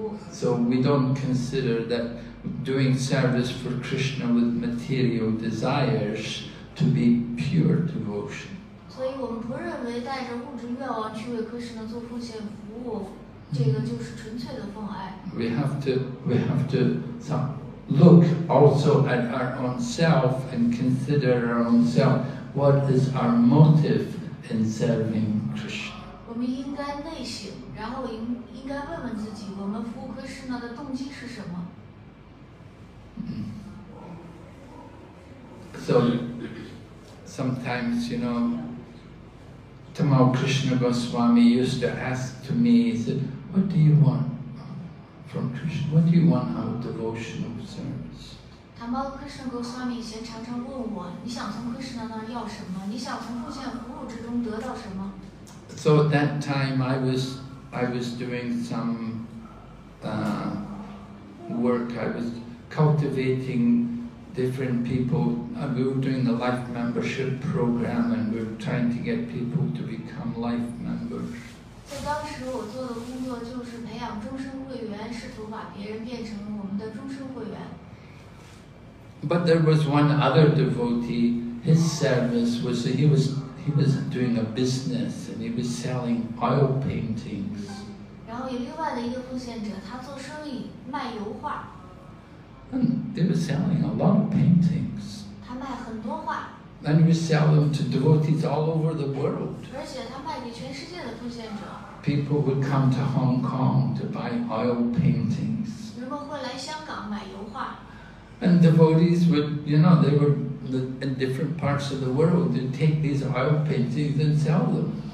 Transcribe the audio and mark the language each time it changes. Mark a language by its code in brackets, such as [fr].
[en] So we don't consider that doing service for Krishna with material desires to be pure devotion. [zh] 所以我们不认为带着物质愿望去为 Krishna 做奉献服务，这个就是纯粹的奉爱。 [en] We have to look also at our own self and consider our own self. What is our motive in serving Krishna? [zh] 我们应该内省，然后应该问问自己，我们服务 Krishna 的动机是什么？ [en] So sometimes, you know, Tamal Krishna Goswami used to ask to me, he said, what do you want from Krishna? What do you want out of devotional service? [zh] Tamal Krishna Goswami 以前常常问我，你想从 Krishna 那要什么？你想从奉献服务之中得到什么？ [en] So at that time I was doing some work. I was cultivating different people. We were doing the life membership program, and we were trying to get people to become life members. [zh] 在当时我做的工作就是培养终身会员，试图把别人变成我们的终身会员。 [en] But there was one other devotee. His service was that he was doing a business and he was selling oil paintings. [zh] 然后有另外的一个奉献者，他做生意卖油画。 [en] And they were selling a lot of paintings. [zh] 他卖很多画。 [en] And he was selling them to devotees all over the world. [zh] 而且他卖给全世界的奉献者。 [en] People would come to Hong Kong to buy oil paintings. [zh] 人们会来香港买油画。 [en] And devotees would, you know, they were in different parts of the world. They'd take these oil paintings and sell them.